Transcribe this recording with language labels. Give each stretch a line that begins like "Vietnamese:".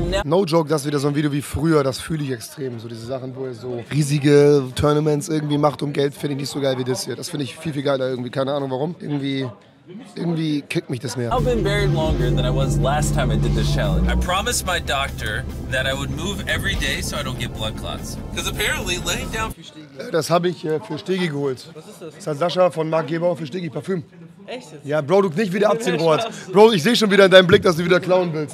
English: No joke,
German: das ist wieder so ein Video wie früher, das fühle ich extrem. So diese Sachen, wo er so riesige Tournaments irgendwie macht um Geld, finde ich nicht so geil wie das hier. Das finde ich viel, viel geiler irgendwie. Keine Ahnung warum. Irgendwie kickt mich das mehr.
English: I've been buried longer than I was last time I did this challenge. I promised my doctor that I would move every day so I don't get blood clots. Because apparently laying down...
German: Das habe ich für Stegi geholt. Was ist das? Das hat Sascha von Marc Gebauer für Stegi Parfüm. Echt? Ja, Bro, du nicht wieder abziehen, Robert. Bro, ich sehe schon wieder in deinem Blick, dass du wieder klauen willst.